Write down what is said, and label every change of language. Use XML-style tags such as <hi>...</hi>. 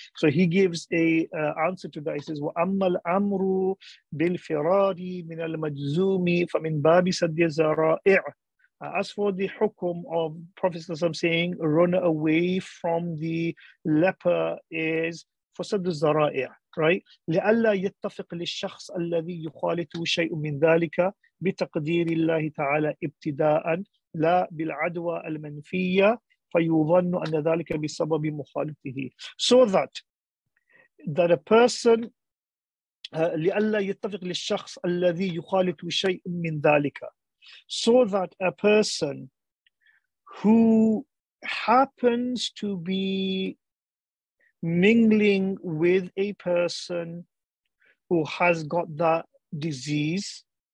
<en>So he gives a answer to that. He says,</en> <ar>وَأَمَّا الْأَمْرُ بِالْفِرَارِ مِنَ الْمَجْزُومِ فَمِنْ بَابِ سَدِّ زَرَائِعِ.</ar> <en>As for the hukum of Prophet saying, run away from the leper, is for سَدُّ الزَّرَائِعِ.</en> <ar>Right, لألا يتفق للشخص الذي يخالطه شيء من ذلك بتقدير الله تعالى ابتداء لا بالعدوى المنفية فيظن أن ذلك بسبب مخالطته.</ar> <en>So that a person</en> <ar>لألا يتفق للشخص الذي يخالطه شيء من ذلك,</ar> <en>so that a person who happens to be mingling with a person who has got that disease,</en>